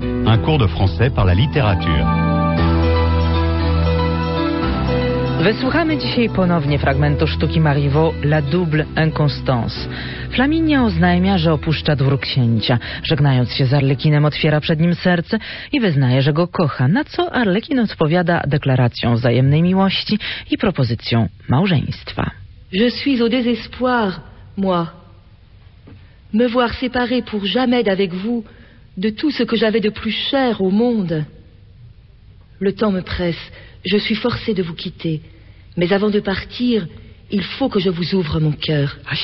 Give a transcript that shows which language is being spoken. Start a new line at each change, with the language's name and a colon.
French: Un cours de français par la littérature.
Polish: Wysłuchamy dzisiaj ponownie fragmentu sztuki Marivaux La Double Inconstance. Flaminia oznajmia, że opuszcza dwór księcia. Żegnając się z Arlekinem, otwiera przed nim serce i wyznaje, że go kocha, na co Arlekin odpowiada deklaracją wzajemnej miłości i propozycją małżeństwa.
French: Je suis au désespoir, moi. Me voir séparé pour jamais d'avec vous de tout ce que j'avais de plus cher au monde. Le temps me presse. Je suis forcée de vous quitter. Mais avant de partir, il faut que je vous ouvre mon cœur.